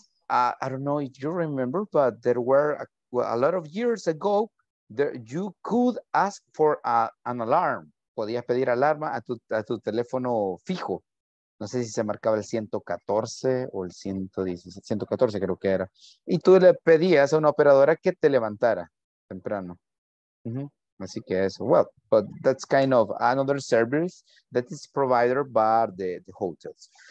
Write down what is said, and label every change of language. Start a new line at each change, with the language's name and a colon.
English: I don't know if you remember, but there were a lot of years ago that you could ask for an alarm.
Spanish: Podías pedir alarma a tu teléfono fijo. No sé si se marcaba el 114 o el 116, 114 creo que era. Y tú le pedías a una operadora que te levantara temprano. Mm-hmm. Así que eso.
English: Well, but that's kind of another service that is provided by the hotels.